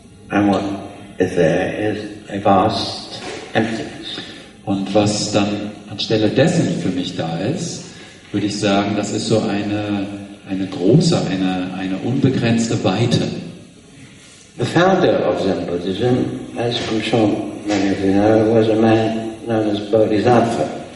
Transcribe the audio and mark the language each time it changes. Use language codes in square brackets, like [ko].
[en] And what is there is a vast emptiness. [de] Und was dann anstelle dessen für mich da ist, würde ich sagen, das ist so eine große, eine unbegrenzte Weite. [en] The founder of Zen Buddhism, as I'm sure many of you know, was a man known as Bodhidharma.